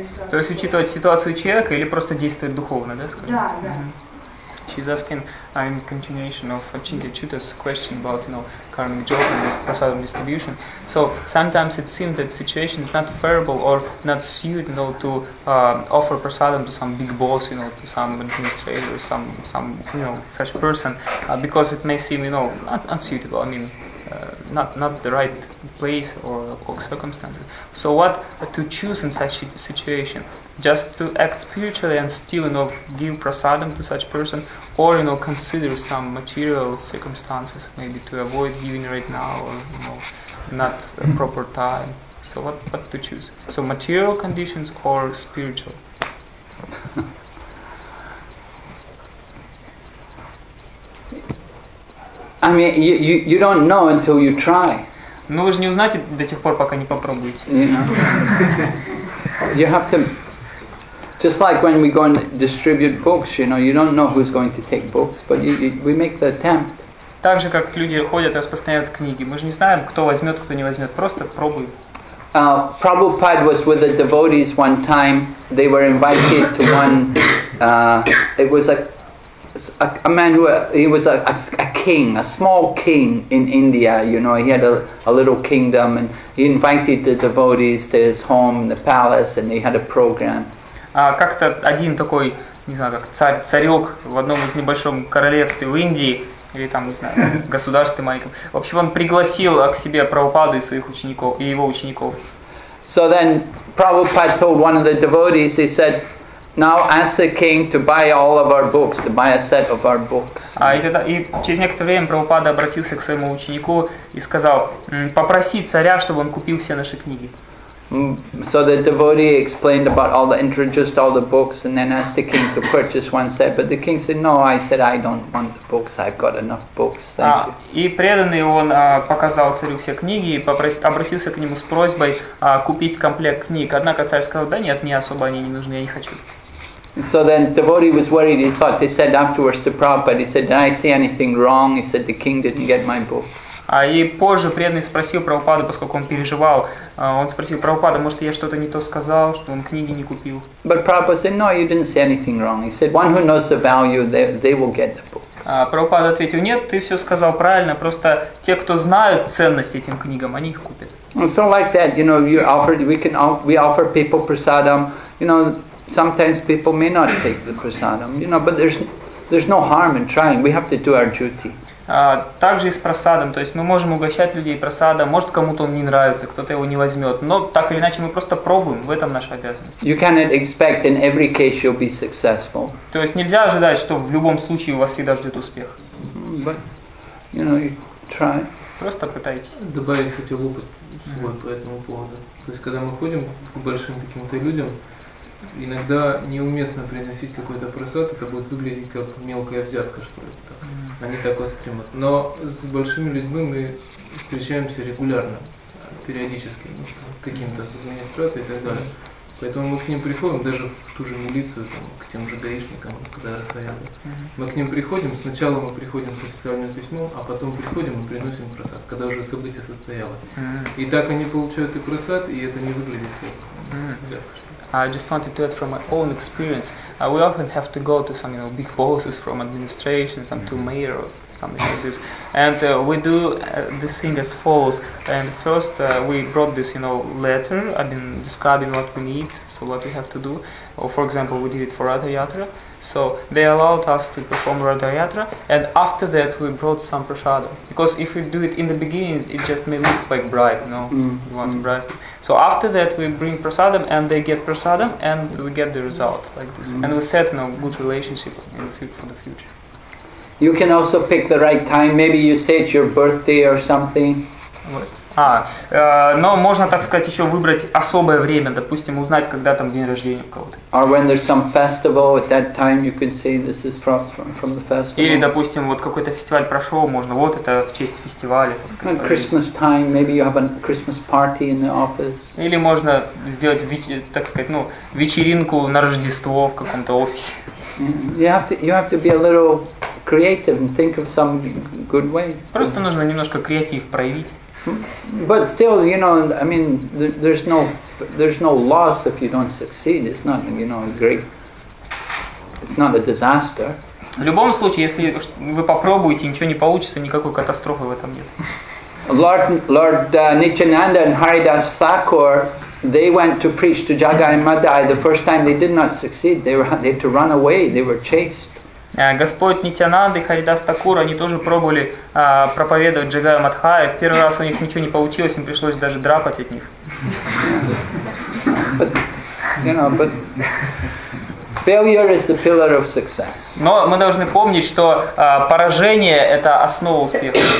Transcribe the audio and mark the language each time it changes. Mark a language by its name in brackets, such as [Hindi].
[Russian] То есть учитывать ситуацию человека или просто действовать духовно, да, скажем? Да, да. [English] She's asking, in continuation of Achintya Chitta's question about, you know, karmic job and this prasadam distribution. So sometimes it seems that the situation is not favorable or not suited, you know, to offer prasadam to some big boss, you know, to some administrator, some you know, such person, because it may seem, you know, not unsuitable. I mean, not the right place or circumstances. So what to choose in such situation? Just to act spiritually and still, you know, give prasadam to such person, or, you know, consider some material circumstances, maybe to avoid giving right now, or, you know, not a proper time. So what to choose? So material conditions or spiritual? I mean, you don't know until you try. [Russian] Ну вы же не узнаете до тех пор, пока не попробуете. [English] You have to. Just like when we go and distribute books, you know, you don't know who's going to take books, but we make the attempt. [Russian] Так же, как люди ходят и распространяют книги. Мы же не знаем, кто возьмет, кто не возьмет. Просто пробуем. [English] Prabhupada was with the devotees one time. They were invited to one... It was a man who was a king, a small king in India, you know. He had a little kingdom, and he invited the devotees to his home, the palace, and they had a program. [Russian] Как-то один такой, не знаю, как царек в одном из небольшом королевстве в Индии, или там, не знаю, государстве маленьком. В общем, он пригласил к себе Прабхупаду и своих учеников, и его учеников. [English] So then Prabhupada told one of the devotees, he said, now ask the king to buy all of our books, to buy a set of our books. [Russian] И через некоторое время Прабхупада обратился к своему ученику и сказал, попроси царя, чтобы он купил все наши книги. [English] So the devotee explained about all the introduced all the books and then asked the king to purchase one set. But the king said, "No, I said I don't want the books. I've got enough books." Thank you. [Russian] И преданный он показал царю все книги и обратился к нему с просьбой купить комплект книг. Однако царь сказал, "Да нет, мне особо они не нужны, я не хочу." [English] So then the devotee was worried. He thought. They said afterwards to Prabhupada, he said, "Did I see anything wrong?" He said, "The king didn't get my books." [Russian] И позже преданный спросил Прабхупаду, поскольку он переживал, он спросил Прабхупаду, может, я что-то не то сказал, что он книги не купил. [English] But Prabhupada said, no, you didn't say anything wrong. He said, one who knows the value, they will get the books. [Russian] Прабхупада ответил, нет, ты все сказал правильно, просто те, кто знают ценность этим книгам, они их купят. [English] And so like that, you know, you offer, we offer people prasadam, you know, sometimes people may not take the prasadam, you know, but there's no harm in trying, we have to do our duty. [Russian] Также и с просадом, то есть мы можем угощать людей просадом, может кому-то он не нравится, кто-то его не возьмет, но так или иначе мы просто пробуем, в этом наша обязанность. [English] You cannot expect in every case you'll be successful. [Russian] То есть нельзя ожидать, что в любом случае у вас всегда ждет успех. [English] But, you know, you try. [Russian] Просто пытайтесь. Добавить хотел опыт по этому поводу. То есть когда мы ходим к большим каким-то людям, иногда неуместно приносить какой-то просад, это будет выглядеть как мелкая взятка, что ли. Mm-hmm. Они так воспримут. Но с большими людьми мы встречаемся регулярно, периодически, ну, каким-то с администрацией и так далее. Mm-hmm. Поэтому мы к ним приходим, даже в ту же милицию, там, к тем же гаишникам, когда стоят. Mm-hmm. Мы к ним приходим, сначала мы приходим с официальным письмом, а потом приходим и приносим просад, когда уже событие состоялось. Mm-hmm. И так они получают и просад, и это не выглядит как взятка. [English] I just wanted to add from my own experience. We often have to go to some, you know, big bosses from administration, some mm-hmm. to mayor or something like this, and we do this thing as follows. And first, we brought this, you know, letter. I mean, describing what we need, so what we have to do. Or for example, we did it for Radha Yatra. So they allowed us to perform Radha Yatra, and after that, we brought some prasada. Because if we do it in the beginning, it just may look like bribe, you know, mm-hmm. you want mm-hmm. bribe. So after that, we bring prasadam, and they get prasadam, and we get the result like this. Mm-hmm. And we set, you know, good relationship for the future. You can also pick the right time. Maybe you say it's your birthday or something. [Russian] Но можно, так сказать, еще выбрать особое время. Допустим, узнать, когда там день рождения у кого-то. [English] Or when there's some festival, at that time you can say this is from the festival. [Russian] Или, допустим, вот какой-то фестиваль прошел, можно вот это в честь фестиваля, так сказать. [English] At Christmas time, maybe you have a Christmas party in the office. [Russian] Или можно сделать, так сказать, ну, вечеринку на Рождество в каком-то офисе. [English] You have to be a little creative and think of some good way. [Russian] Просто нужно немножко креатив проявить. [English] But still, you know, I mean, there's no loss if you don't succeed. It's not, you know, a great. It's not a disaster. [Russian] В любом случае, если вы попробуете, ничего не получится, никакой катастрофы в этом нет. [English] Lord Nityananda and Haridas Thakur, they went to preach to Jagai Madai. The first time they did not succeed. They had to run away. They were chased. [Russian] Господь Нитянанда и Харидас Такур, они тоже пробовали проповедовать Джагая Мадхая. В первый раз у них ничего не получилось, им пришлось даже драпать от них. Но мы должны помнить, что поражение – это основа успеха.